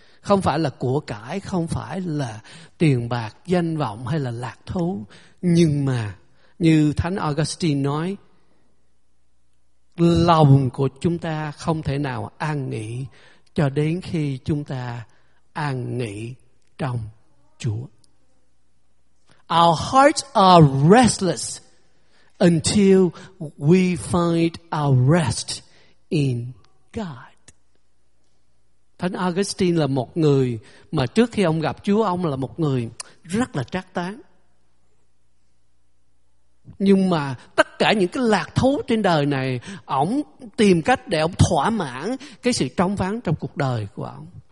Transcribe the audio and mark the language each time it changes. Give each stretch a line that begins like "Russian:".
Vietnamese: Không phải là của cải, không phải là tiền bạc, danh vọng hay là lạc thú. Nhưng mà như Thánh Augustine nói, lòng của chúng ta không thể nào an nghỉ cho đến khi chúng ta an nghỉ trong Chúa.
English: Our hearts are restless until we find our rest in God.
Vietnamese: Thánh Augustine là một người mà trước khi ông gặp Chúa, ông là một người rất là trác táng. Nhưng mà tất cả những cái lạc thú trên đời này, ông tìm cách để ông thỏa mãn cái sự trống vắng trong cuộc đời của ông.